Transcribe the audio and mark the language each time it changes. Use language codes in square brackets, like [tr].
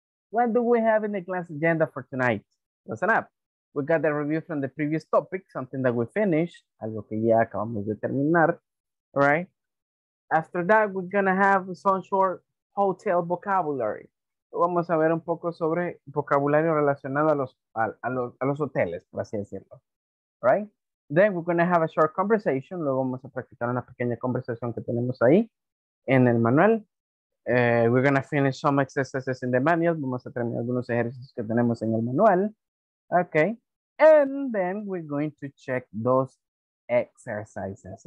[en] What do we have in the class agenda for tonight? Listen up. We got the review from the previous topic, something that we finished. [es] Algo que ya acabamos de terminar. [en] All right. After that, we're going to have some short hotel vocabulary. [es] Vamos a ver un poco sobre vocabulario relacionado a los hoteles, por así decirlo. [en] Right? Then we're going to have a short conversation. [es] Luego vamos a practicar una pequeña conversación que tenemos ahí en el manual. [en] We're going to finish some exercises in the manual. [es] Vamos a terminar algunos ejercicios que tenemos en el manual. [en] Okay. And then we're going to check those exercises.